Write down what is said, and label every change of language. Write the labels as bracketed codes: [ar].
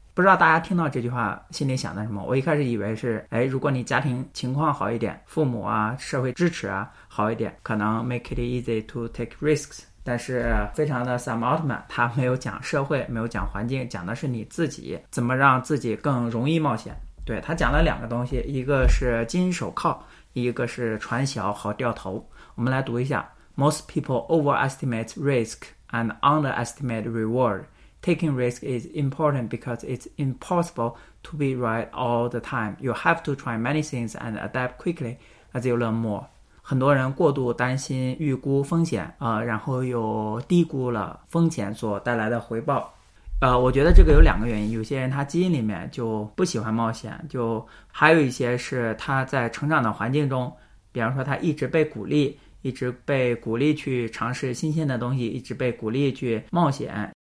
[zh] 不知道大家听到这句话心里想的什么？我一开始以为是，哎，如果你家庭情况好一点，父母啊、社会支持啊好一点，可能 [en] "Make it easy to take risks"。 [zh] 但是非常的 Sam Altman， 他没有讲社会，没有讲环境，讲的是你自己怎么让自己更容易冒险。对，他讲了两个东西，一个是金手铐，一个是船小好掉头。我们来读一下： [en] Most people overestimate risk and underestimate reward. Taking risk is important because it's impossible to be right all the time. You have to try many things and adapt quickly as you learn more. [zh] 很多人过度担心预估风险，然后又低估了风险所带来的回报。我觉得这个有两个原因，有些人他基因里面就不喜欢冒险，就还有一些是他在成长的环境中，比方说他一直被鼓励，一直被鼓励去尝试新鲜的东西，一直被鼓励去冒险。